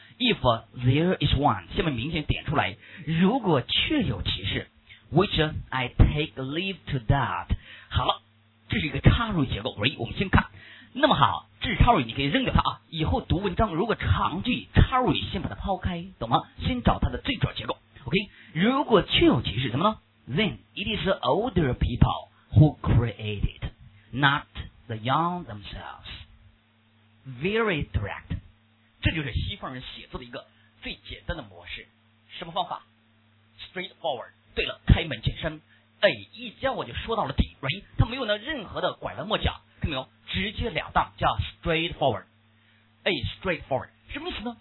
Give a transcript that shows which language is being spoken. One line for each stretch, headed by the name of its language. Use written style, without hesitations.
English: If there is one, 下面明显点出来，如果确有其事， which I take leave to that.
Chinese: 好了，这是一个插入结构，我们先看。那么好，这是插入，你可以扔掉它啊。以后读文章如果长句插入，先把它抛开，懂吗？先找它的最主要结构。OK， 如果确有其事，什么呢？
English: Then it is older people who created, not the young themselves. Very direct.
Chinese: 这就是西方人写作的一个最简单的模式。什么方法？Straightforward. 对了，开门见山。哎，一教我就说到了底， right? 他没有那任何的拐弯抹角，看到没有？直接了当，叫 straightforward。哎， straightforward 什么意思呢？